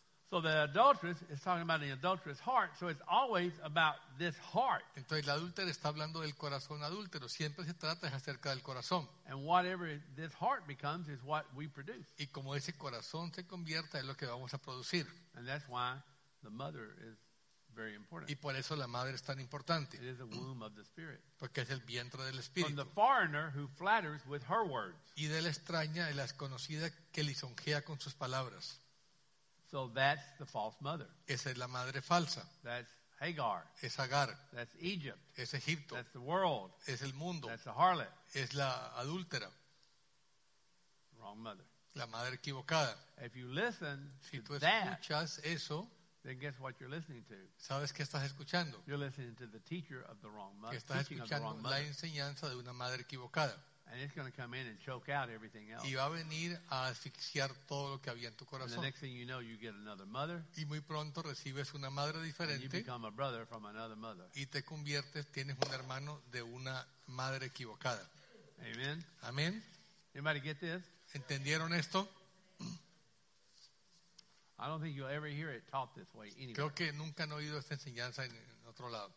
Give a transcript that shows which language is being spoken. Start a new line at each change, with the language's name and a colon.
English: So the adulteress is talking about the adulterous heart, so it's always about this heart.
Spanish: Entonces la adúltera está hablando del corazón adúltero, siempre se trata acerca del corazón.
English: And whatever this heart becomes is what we produce.
Spanish: Y como ese corazón se convierta es lo que vamos a producir.
English: And that's why the mother is very important.
Spanish: Y por eso la madre es tan importante.
English: It is the womb of the spirit.
Spanish: Porque es el vientre del espíritu.
English: From the foreigner who flatters with her words.
Spanish: Y de la extraña y la desconocida que lisonjea con sus palabras.
English: So that's the false mother.
Spanish: Esa es la madre falsa.
English: That's Hagar.
Spanish: Es Agar.
English: That's Egypt.
Spanish: Es Egipto.
English: That's the world.
Spanish: Es el mundo.
English: That's the harlot.
Spanish: Es la adúltera.
English: Wrong mother.
Spanish: La madre equivocada.
English: If you listen
Spanish: si
English: to
Spanish: tú escuchas
English: that,
Spanish: eso,
English: then guess what you're listening to.
Spanish: ¿Sabes qué estás escuchando?
English: You're listening to the teacher of the wrong mother.
Spanish: Estás escuchando la enseñanza de una madre equivocada.
English: And it's going to come in and choke out everything else.
Spanish: Y va a venir a asfixiar todo lo que había en tu corazón.
English: And the next thing you know, you get another mother.
Spanish: Y muy pronto recibes una madre diferente.
English: And you become a brother from another mother.
Spanish: Y te conviertes, tienes un hermano de una madre equivocada.
English: Amen.
Spanish: Amen.
English: Anybody get this?
Spanish: ¿Entendieron esto?
English: I don't think you'll ever hear it taught this way anywhere.
Spanish: Creo que nunca han oído esta enseñanza en otro lado.